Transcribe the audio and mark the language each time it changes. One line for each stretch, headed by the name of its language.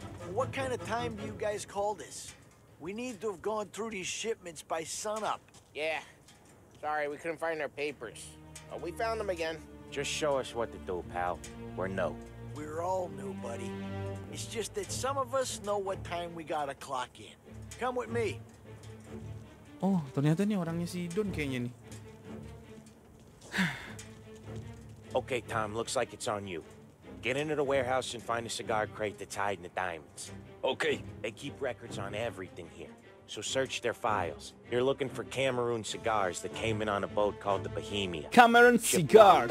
English: What kind of time do you guys call this? We need to have gone through these shipments by sunup. Yeah. Sorry, we couldn't find our papers. But we found them again. Just show us what to do, pal. We're new. We're all new, buddy. It's just that some of us know what time we gotta clock in. Come with me.
Indonesian: Oh, ternyata ini orangnya si Don kayaknya nih.
English: Okay, Tom, looks like it's on you. Get into the warehouse and find a cigar crate that's hiding the diamonds. Okay. They keep records on everything here, so search their files. You're looking for Cameroon cigars that came in on a boat called the Bohemia. Cameroon cigars!